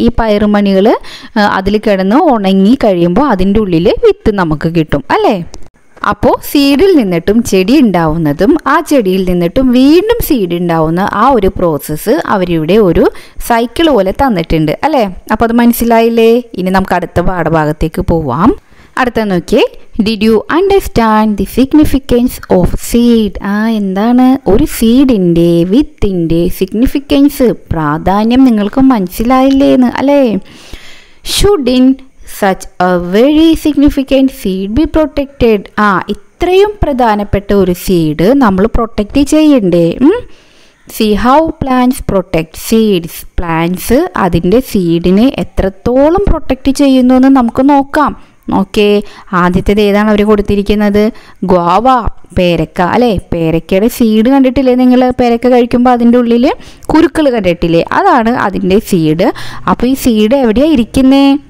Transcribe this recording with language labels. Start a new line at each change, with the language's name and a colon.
Malayalam: ഈ പയറുമണികൾ അതിൽ കിടന്ന് ഉണങ്ങി കഴിയുമ്പോൾ അതിൻ്റെ ഉള്ളിൽ വിത്ത് നമുക്ക് കിട്ടും അല്ലേ. അപ്പോൾ സീഡിൽ നിന്നിട്ടും ചെടി ഉണ്ടാവുന്നതും ആ ചെടിയിൽ നിന്നിട്ടും വീണ്ടും സീഡ് ഉണ്ടാവുന്ന ആ ഒരു പ്രോസസ്സ് അവരിവിടെ ഒരു സൈക്കിൾ പോലെ തന്നിട്ടുണ്ട് അല്ലേ. അപ്പോൾ അത് മനസ്സിലായില്ലേ. ഇനി നമുക്ക് അടുത്ത പാഠഭാഗത്തേക്ക് പോവാം. അടുത്ത നോക്കിയേ.
English: Did you understand the significance of seed?
Malayalam: എന്താണ് ഒരു സീഡിൻ്റെ വിത്തിൻ്റെ സിഗ്നിഫിക്കൻസ്, പ്രാധാന്യം നിങ്ങൾക്ക് മനസ്സിലായില്ലേന്ന് അല്ലേ?
English: Shouldn't such a very significant seed be protected?
Malayalam: ഇത്രയും പ്രധാനപ്പെട്ട ഒരു സീഡ് നമ്മൾ പ്രൊട്ടക്റ്റ് ചെയ്യണ്ടേ?
English: See how plants protect seeds.
Malayalam: Plants അതിൻ്റെ സീഡിനെ എത്രത്തോളം പ്രൊട്ടക്റ്റ് ചെയ്യുന്നു എന്ന് നമുക്ക് നോക്കാം. ഓക്കെ, ആദ്യത്തേത് ഏതാണ് അവർ കൊടുത്തിരിക്കുന്നത്? ഗ്വാവ, പേരക്ക അല്ലേ. പേരക്കയുടെ സീഡ് കണ്ടിട്ടില്ലേ നിങ്ങൾ? പേരക്ക കഴിക്കുമ്പോൾ അതിൻ്റെ ഉള്ളിൽ കുരുക്കൾ കണ്ടിട്ടില്ലേ? അതാണ് അതിൻ്റെ സീഡ്. അപ്പോൾ ഈ സീഡ് എവിടെയാണ് ഇരിക്കുന്നേ?